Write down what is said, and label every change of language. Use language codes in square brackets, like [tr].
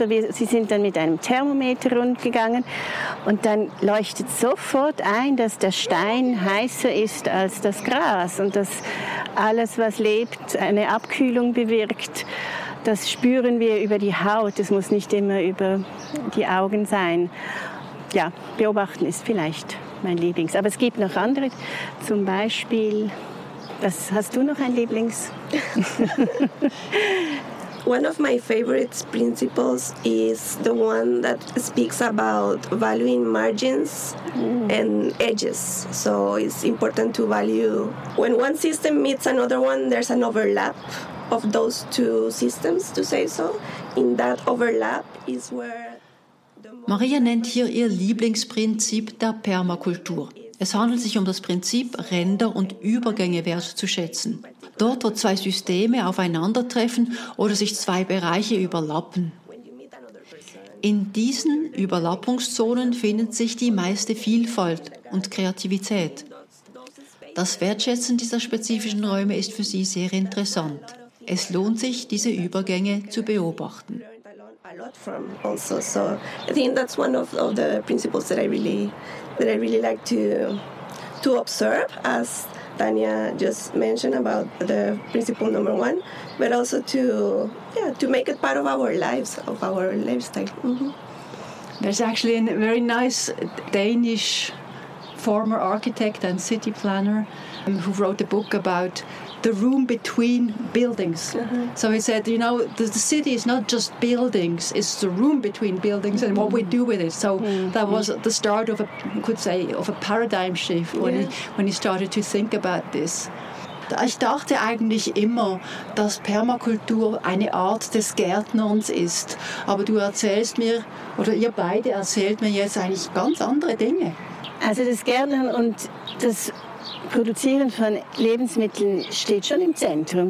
[de] Oder sie sind dann mit einem Thermometer rundgegangen und dann leuchtet sofort ein, dass der Stein heißer ist als das Gras und dass alles, was lebt, eine Abkühlung bewirkt. Das spüren wir über die Haut, das muss nicht immer über die Augen sein. Ja, beobachten ist vielleicht mein Lieblings. Aber es gibt noch andere, zum Beispiel, das hast du noch ein Lieblings? [en] One of my favorite principles is the one that speaks about valuing margins and edges. So it's important to value. When one system meets another one, there's an overlap of those two systems, to say so. In that overlap is where... [de] Maria nennt hier ihr Lieblingsprinzip der Permakultur. Es handelt sich um das Prinzip, Ränder und Übergänge wertzuschätzen. Dort, wo zwei Systeme aufeinandertreffen oder sich zwei Bereiche überlappen. In diesen Überlappungszonen findet sich die meiste Vielfalt und Kreativität. Das Wertschätzen dieser spezifischen Räume ist für sie sehr interessant. Es lohnt sich, diese Übergänge zu beobachten. [en] A lot from also, so I think that's one of the principles that I really like to observe, as Tanya just mentioned about the principle number one, but also to make it part of our lives, of our lifestyle. Mm-hmm. There's actually a very nice Danish former architect and city planner who wrote a book about the room between buildings. Mm-hmm. So he said, you know, the city is not just buildings, it's the room between buildings and what we do with it. So that was the start of a paradigm shift when he started to think about this. [de] Ich dachte eigentlich immer, dass Permakultur eine Art des Gärtnerns ist. Aber du erzählst mir, oder ihr beide erzählt mir jetzt eigentlich ganz andere Dinge. Also das Gärtnern und das Produzieren von Lebensmitteln steht schon im Zentrum.